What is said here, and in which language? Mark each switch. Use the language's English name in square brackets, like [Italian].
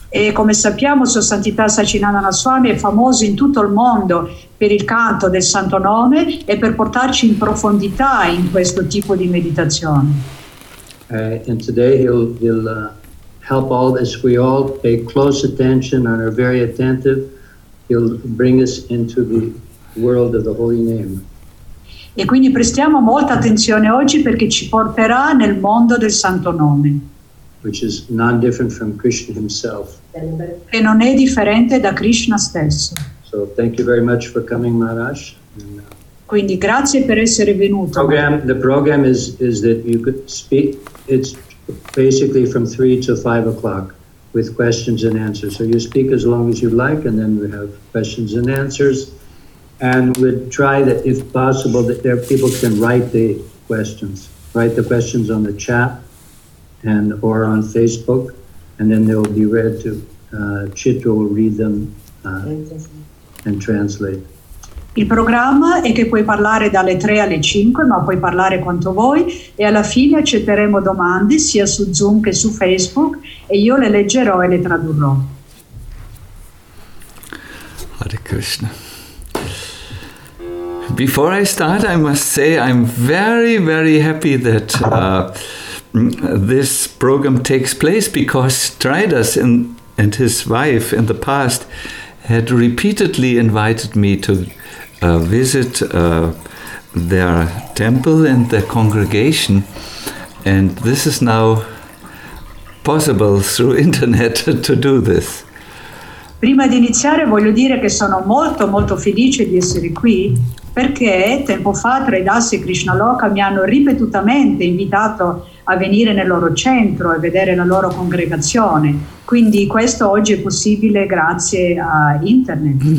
[Italian] E come sappiamo Sua Santità Sachinanda Swami è famoso in tutto il mondo per il canto del Santo Nome e per portarci in profondità in questo tipo di meditazione. [English] And today he'll help all as we all pay close attention and are very attentive. He'll bring us into the world of the Holy Name. [Italian] E quindi prestiamo molta attenzione oggi perché ci porterà nel mondo del Santo Nome. [English] Which is non different from Krishna himself. [Italian] Che non è differente da Krishna stesso. [English] So thank you very much for coming, Maharaj. [Italian] Quindi grazie per essere venuto. [English] The program is that you could speak. It's basically from 3 to 5 o'clock with questions and answers. So you speak as long as you like, and then we have questions and answers. And we'd try that if possible that there people can write the questions on the chat. And or on Facebook, and then they will be read to Chitra will read them and translate. [Italian] Il programma è che puoi parlare dalle 3 alle 5, ma puoi parlare quanto vuoi, e alla fine accetteremo domande sia su Zoom che su Facebook, e io le leggerò e le tradurrò. [Sanskrit] Hare Krishna. [English] Before I start, I must say I'm very, very happy that this program takes place because Tridas and his wife in the past had repeatedly invited me to visit their temple and their congregation, and this is now possible through internet to do this. [Italian] Prima di iniziare voglio dire che sono molto molto felice di essere qui perché tempo fa Tridas e Krishnaloka mi hanno ripetutamente invitato a venire nel loro centro e vedere la loro congregazione. Quindi questo oggi è possibile grazie a internet.